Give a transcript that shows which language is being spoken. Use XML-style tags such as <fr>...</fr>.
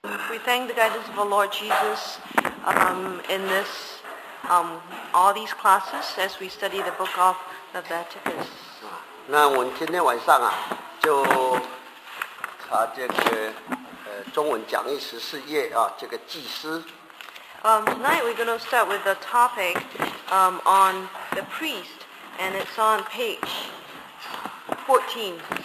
<en>We thank the guidance of our Lord Jesus in this, all these classes as we study the book of Leviticus.</en> <zh>那我们今天晚上就查这个中文讲义14页这个祭司。</zh> <en>Tonight we're going to start with the topic on the priest, and it's on page 14.</en>